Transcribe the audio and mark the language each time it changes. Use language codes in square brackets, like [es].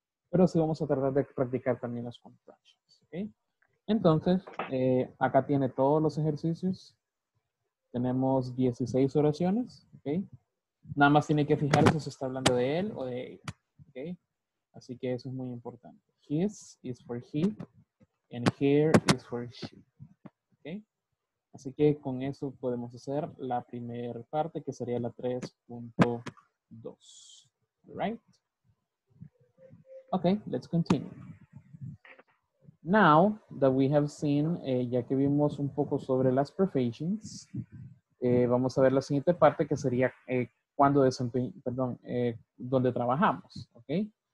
[es] Pero sí vamos a tratar de practicar también las contracciones. ¿Okay? Entonces, acá tiene todos los ejercicios. Tenemos 16 oraciones. ¿Okay? Nada más tiene que fijarse si está hablando de él o de ella. ¿Okay? Así que eso es muy importante. [en] His is for he and here is for she. ¿Okay? [es] Así que con eso podemos hacer la primera parte, que sería la 3.2. [en] Right? Okay, let's continue. Now that we have seen, [es] ya que vimos un poco sobre las professions, vamos a ver la siguiente parte, que sería donde trabajamos. Okay?